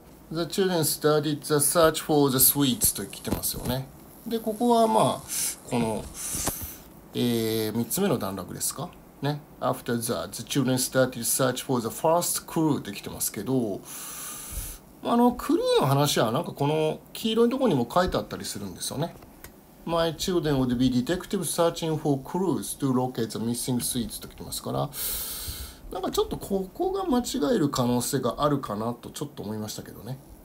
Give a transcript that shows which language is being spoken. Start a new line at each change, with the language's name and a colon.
English: The children studied the search for the sweets
Japanese: と来てますよね。で、ここはまあ、この、3つ目の段落ですかね。
English: After that, the children studied the search for the first clue
Japanese: と来てますけど、クルーの話はなんかこの黄色いところにも書いてあったりするんですよね。
English: My children would be detectives searching for clues to locate the missing sweets
Japanese: と来てますから、なんかちょっとここが間違える可能性があるかなとちょっと思いましたけどね。